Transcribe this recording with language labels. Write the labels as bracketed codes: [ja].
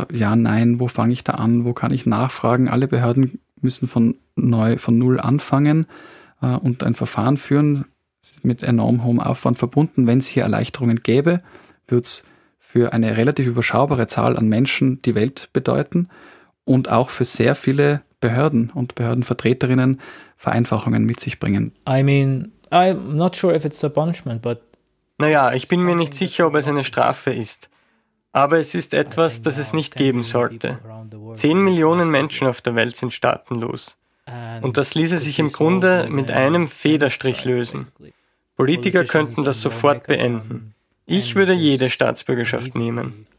[de] Ja, nein, wo fange ich da an? Wo kann ich nachfragen? Alle Behörden müssen von null anfangen und ein Verfahren führen. Es ist mit enorm hohem Aufwand verbunden. Wenn es hier Erleichterungen gäbe, würde es für eine relativ überschaubare Zahl an Menschen die Welt bedeuten. Und auch für sehr viele Behörden und Behördenvertreterinnen Vereinfachungen mit sich bringen. [en] I mean, I'm not sure if it's a punishment, but. [de] Naja, ich bin mir nicht sicher, ob es eine Strafe ist. Aber es ist etwas, das es nicht geben sollte. 10 Millionen Menschen auf der Welt sind staatenlos. Und das ließe sich im Grunde mit einem Federstrich lösen. Politiker könnten das sofort beenden. Ich würde jede Staatsbürgerschaft nehmen.